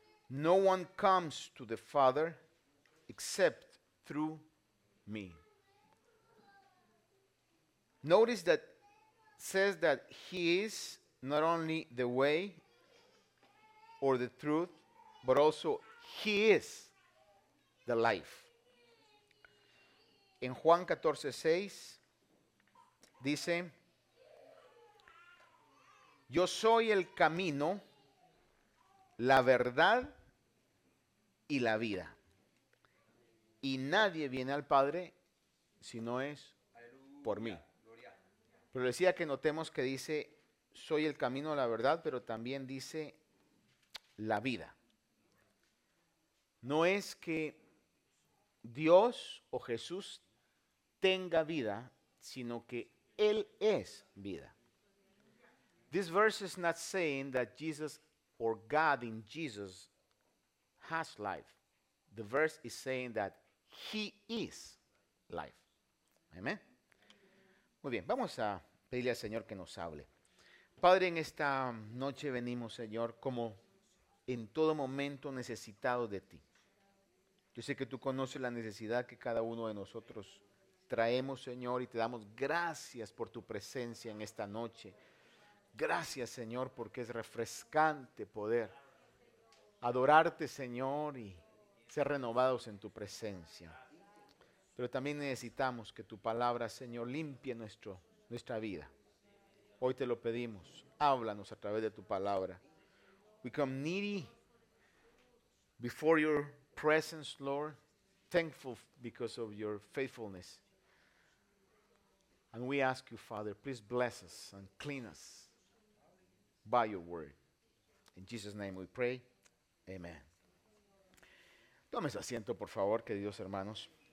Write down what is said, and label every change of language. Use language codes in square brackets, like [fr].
[en] No one comes to the Father except through me. Notice that says that he is not only the way or the truth, but also he is the life. [es] In Juan 14:6, dice, yo soy el camino, la verdad y la vida. Y nadie viene al Padre si no es por mí. Pero decía que notemos que dice, soy el camino, la verdad, pero también dice la vida. No es que Dios o Jesús tenga vida, sino que Él es vida. [en] This verse is not saying that Jesus or God in Jesus has life. The verse is saying that He is life. Amen. [es] Muy bien, vamos a pedirle al Señor que nos hable. Padre, en esta noche venimos, Señor, como en todo momento necesitado de Ti. Yo sé que Tú conoces la necesidad que cada uno de nosotros traemos, Señor, y te damos gracias por tu presencia en esta noche. Gracias, Señor, porque es refrescante poder adorarte, Señor, y ser renovados en tu presencia. Pero también necesitamos que tu palabra, Señor, limpie nuestra vida. Hoy te lo pedimos, háblanos a través de tu palabra. [en] We come needy before your presence, Lord, thankful because of your faithfulness. And we ask you, Father, please bless us and clean us by your word. In Jesus' name we pray. Amen. [es] Tome su asiento, por favor, queridos hermanos.